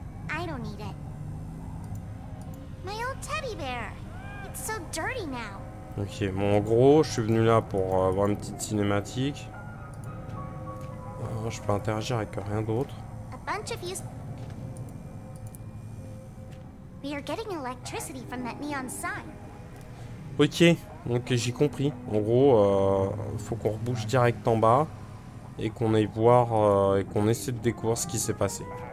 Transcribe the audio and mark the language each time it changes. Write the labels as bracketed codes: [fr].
[en] I don't need it. My old teddy bear. It's so dirty now. [fr] Ok, bon, en gros, je suis venu là pour avoir une petite cinématique. Je peux interagir avec rien d'autre. [en] A bunch of use... We are getting electricity from that neon sign. [fr] Ok, donc j'ai compris. En gros, faut qu'on rebouche direct en bas et qu'on aille voir et qu'on essaie de découvrir ce qui s'est passé.